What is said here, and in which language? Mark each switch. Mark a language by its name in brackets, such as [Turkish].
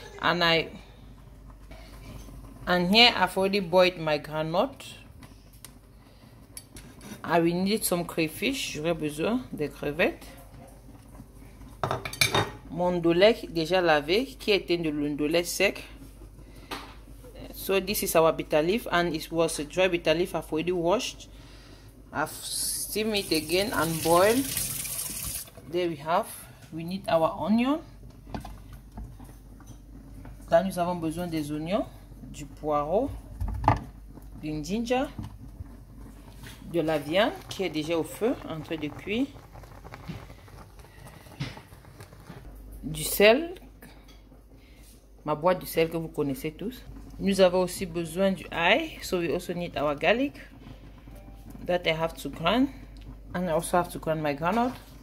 [English] And here, I've already boiled my groundnut. I will need some crayfish. [French] J'aurai besoin des crevettes. Mon ndolé déjà lavé, qui était de l'ndolé sec. [English] So this is our bitter leaf and it was a dry bitter leaf I've already washed. I've steamed it again and boiled. There we have. We need our onion. [French] Là nous avons besoin des oignons, du poireau, du ginger, de la viande qui est déjà au feu en train de cuire. Du sel, ma boîte de sel que vous connaissez tous. Nous avons aussi besoin du ail, [English] so we also need our garlic that I have to grind, and I also have to grind my groundnut.